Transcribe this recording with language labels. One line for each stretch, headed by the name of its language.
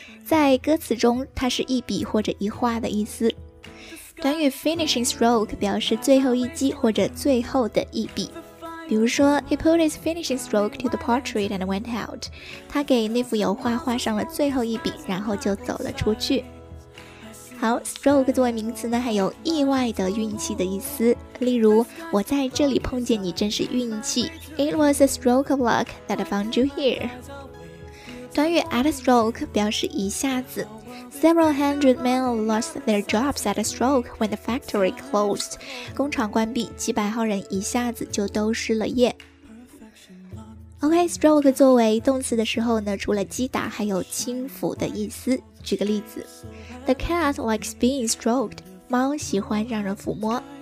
Chinese: 在歌词中它是一笔或者一画的意思。短语 finishing stroke 表示最后一击或者最后的一笔。比如说
English: He put his finishing stroke to the portrait and went out.
Chinese: 他给那幅油画画上了最后一笔然后就走了出去。好， stroke 作为名词呢还有意外的运气的意思。例如我在这里碰见你真是运气。
English: It was a stroke of luck that I found you here.
Chinese: 短语
English: at a stroke
Chinese: 表示一下子。
English: Several hundred men lost their jobs at a stroke when the factory closed.
Chinese: 工厂关闭，几百号人一下子就都失了业。 OK, stroke 作为动词的时候呢，除了击打，还有轻抚的意思。举个例子 ，
English: The cat likes being stroked.
Chinese: 猫喜欢让人抚摸。